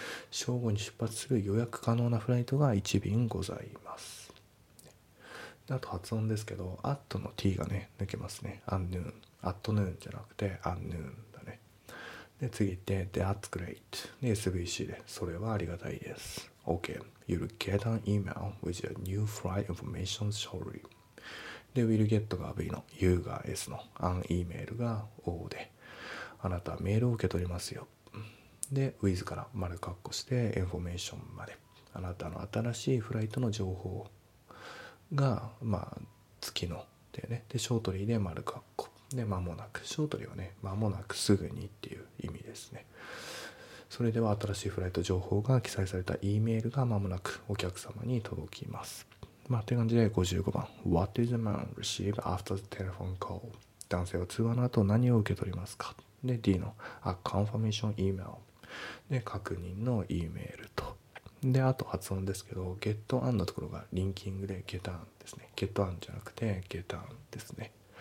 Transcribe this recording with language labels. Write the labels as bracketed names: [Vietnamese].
[Japanese] 正午に出発する予約可能なフライトが1便ございます。であと発音ですけど、アットの T がね抜けますね。アンヌーン、アットヌーンじゃなくてアンヌーンだね。で次行って [English] That's great。 [Japanese] で SVC でそれはありがたいです。 [English] OK You'll get an email with your new flight information shortly。 [Japanese] で Will get が V の、 You が S の、 An email が O で、あなたはメールを受け取りますよ。で、ウィズから丸括弧して、インフォメーションまで。あなたの新しいフライトの情報が、まあ、月のでね。で、ショートリーで丸括弧。で、間もなく。ショートリーはね、間もなくすぐにっていう意味ですね。それでは、新しいフライト情報が記載された E メールが間もなくお客様に届きます。まあ、って感じで55番。 [English] What did the man receive after the telephone call? [Japanese] 男性は通話の後何を受け取りますか? で、D の、 [English] A confirmation email。 [Japanese] で確認の E メールと。であと発音ですけど、 get on のところがリンキングで get on ですね。 get on じゃなくて get on ですね。